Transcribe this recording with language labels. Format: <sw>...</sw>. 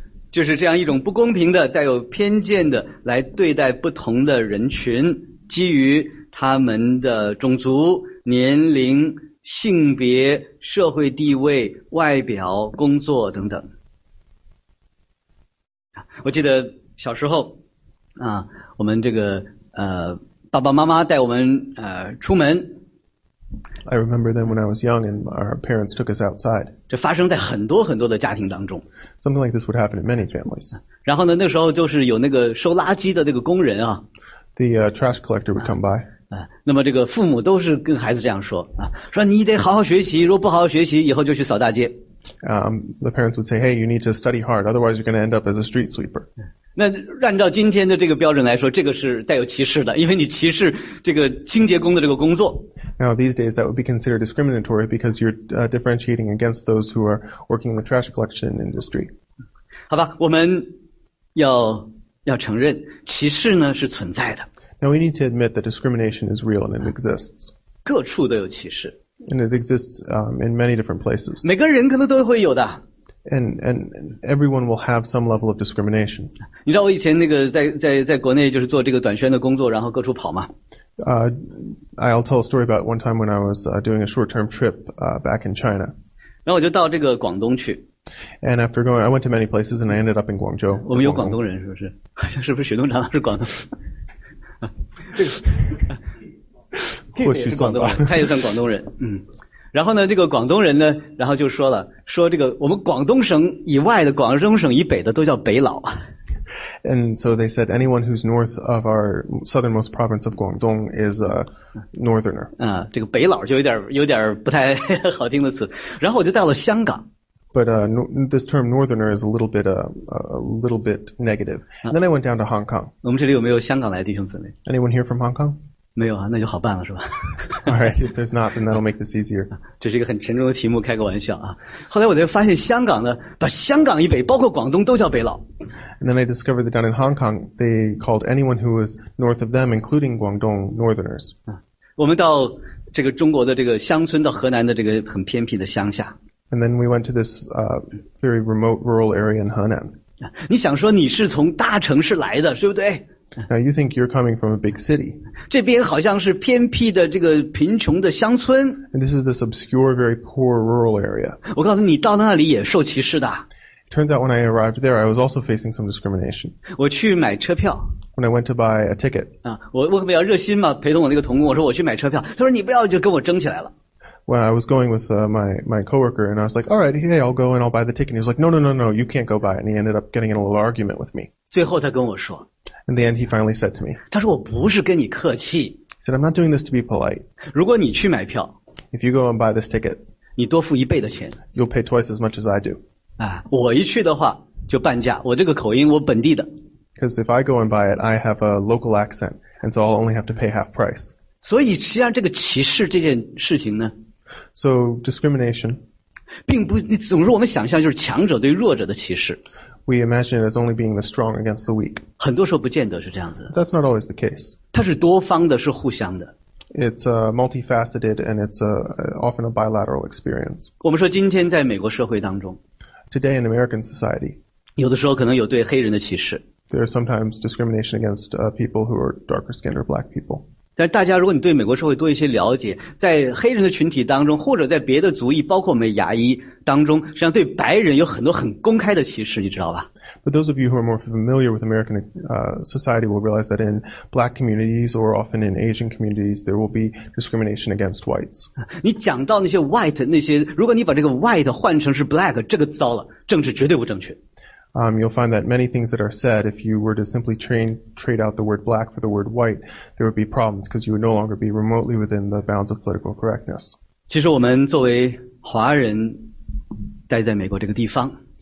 <zh>就是这样一种不公平的、带有偏见的来对待不同的人群，基于他们的种族、年龄、性别、社会地位、外表、工作等等。我记得小时候啊，我们这个爸爸妈妈带我们出门。</zh> <en>I remember then when I was young and our parents took us outside.</en> <zh>这发生在很多很多的家庭当中。</zh> <en>Something like this would happen in many families.</en> <zh>然后呢，那时候就是有那个收垃圾的那个工人啊。</zh> <en>The trash collector would come by.</en> <zh>那么这个父母都是跟孩子这样说啊，说你得好好学习，如果不好好学习，以后就去扫大街。</zh> <en>The parents would say, "Hey, you need to study hard, otherwise you're going to end up as a street sweeper."</en> <zh>那按照今天的这个标准来说，这个是带有歧视的，因为你歧视这个清洁工的这个工作。</zh> <en>Now these days that would be considered discriminatory because you're differentiating against those who are working in the trash collection industry.</en> <zh>好吧，我们要承认歧视呢是存在的。</zh> <en>Now we need to admit that discrimination is real and it exists.</en> <zh>各处都有歧视。</zh> <en>And it exists in many different places.</en> <zh>每个人可能都会有的。</zh> <en>And everyone will have some level of discrimination.</en> <zh>你知道我以前那个在国内就是做这个短宣的工作，然后各处跑吗？</zh> <en>I'll tell a story about one time when I was doing a short-term trip back in China.</en> <zh>然后我就到这个广东去。</zh> <en>And after going, I went to many places and I ended up in Guangzhou.</en> <zh>我们有广东人是不是？好像是不是许东长是广东？或许广东人，他也算广东人。嗯。然后呢，这个广东人呢，然后就说了，说这个我们广东省以外的，广东省以北的都叫北佬。</zh> <en>And so they said anyone who's north of our southernmost province of Guangdong is a northerner.</en> <zh>这个北佬就有点不太好听的词。然后我就到了香港。</zh> <en>But this term northerner is a little bit negative. And then I went down to Hong Kong.</en> <zh>我们这里有没有香港来的弟兄姊妹？</zh> <en>Anyone here from Hong Kong?</en> <zh>没有啊，那就好办了，是吧？</zh> <en>All right, if there's not, then that'll make this easier.</en> <zh>这是一个很沉重的题目，开个玩笑啊。后来我就发现香港呢，把香港以北，包括广东，都叫北佬。</zh> <en>And then I discovered that down in Hong Kong, they called anyone who was north of them, including Guangdong, northerners.</en> <zh>我们到这个中国的这个乡村，到河南的这个很偏僻的乡下。</zh> <en>And then we went to this very remote rural area in Henan.</en> <zh>你想说你是从大城市来的，是不对？</zh> <en>Now you think you're coming from a big city.</en> <zh>这边好像是偏僻的这个贫穷的乡村。</zh> <en>And this is this obscure, very poor rural area.</en> <zh>我告诉你，到那里也受歧视的。</zh> <en>Turns out when I arrived there, I was also facing some discrimination.</en> <zh>我去买车票。</zh> <en>When I went to buy a ticket.</en> <zh>我比较热心嘛，陪同我那个同工，我说我去买车票，他说你不要就跟我争起来了。</zh> <en>Well, I was going with my coworker, and I was like, "All right, hey, I'll go and I'll buy the ticket." He was like, "No, no, no, no, you can't go buy it." And he ended up getting in a little argument with me.</en> <zh>最后他跟我说。</zh> <en>In the end, he finally said to me.</en> <zh>他说我不是跟你客气。</zh> <en>He said, "I'm not doing this to be polite."</en> <zh>如果你去买票。</zh> <en>If you go and buy this ticket.</en> <zh>你多付一倍的钱。</zh> <en>You'll pay twice as much as I do.</en> <zh>我一去的话就半价。我这个口音，我本地的。</zh> <en>Because if I go and buy it, I have a local accent, and so I'll only have to pay half price.</en> <zh>所以实际上这个歧视这件事情呢。</zh> <en>So discrimination,</en> <zh>并不总是我们想象就是强者对弱者的歧视。</zh> <en>We imagine it as only being the strong against the weak.</en> <zh>很多时候不见得是这样子。</zh> <en>That's not always the case.</en> <zh>它是多方的，是互相的。</zh> <en>It's multifaceted and it's often a bilateral experience.</en> <zh>我们说今天在美国社会当中</zh> <en>，Today in American society,</en> <zh>有的时候可能有对黑人的歧视。</zh> <en>There is sometimes discrimination against people who are darker skinned or black people.</en> <zh>但大家如果你对美国社会多一些了解，在黑人的群体当中，或者在别的族裔，包括我们亚裔当中，实际上对白人有很多很公开的歧视，你知道吧？</zh> <en>But those of you who are more familiar with American society will realize that in black communities or often in Asian communities, there will be discrimination against whites.</en> <zh>你讲到那些 white 那些，如果你把这个 white 换成是 black， 这个糟了，政治绝对不正确。</zh> <en>You'll find that many things that are said, if you were to simply trade out the word black for the word white, there would be problems because you would no longer be remotely within the bounds of political correctness.</en> <zh>其实我们作为华人待在美国这个地方</zh>